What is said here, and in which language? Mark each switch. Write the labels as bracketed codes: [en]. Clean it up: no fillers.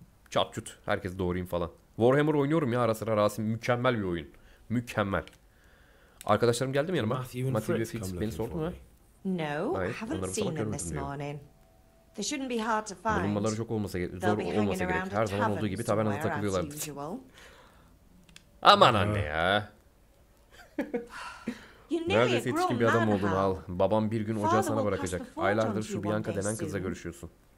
[tr] Çat çut herkesi doğrayayım falan. Warhammer oynuyorum ya ara sıra Rasim. Mükemmel bir oyun. Mükemmel. Arkadaşlarım geldi mi yanıma? Matthew ve Fitz beni sordun mu? [en] No, haven't seen them this morning. They shouldn't be hard to find. [tr] Bulunmaları çok olmasa gerek. Zor olmasa gerek. Her zaman olduğu gibi tavernada takılıyorlardı. Aman anne ya. Neredeyse yetişkin bir adam oldun al. Babam bir gün ocağı sana bırakacak. Aylardır şu Bianca denen kızla görüşüyorsun.